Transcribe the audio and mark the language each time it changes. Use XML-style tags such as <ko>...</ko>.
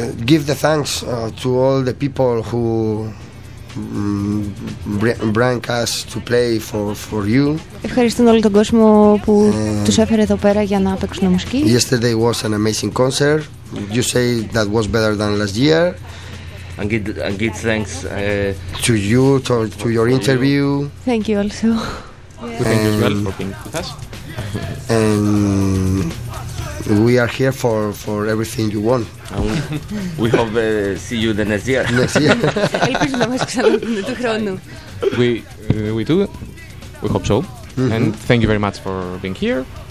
<en>Give the thanks to all the people who bring us to play for you.</en> <el>Ευχαριστούν όλο τον κόσμο που τους έφερε εδώ πέρα για να παίξουν μουσική.</el> <en>Yesterday was an amazing concert. You say that was better than last year. And give thanks to you to your interview. Thank you also. Yeah. Thank you as well for being with us. And we are here for everything you want. We hope see you the next year. Next year.</en> <el>Ελπίζω να μας ξαναδούμε του χρόνου.</el> <en>We do. We hope so. Mm-hmm. And thank you very much for being here.</en>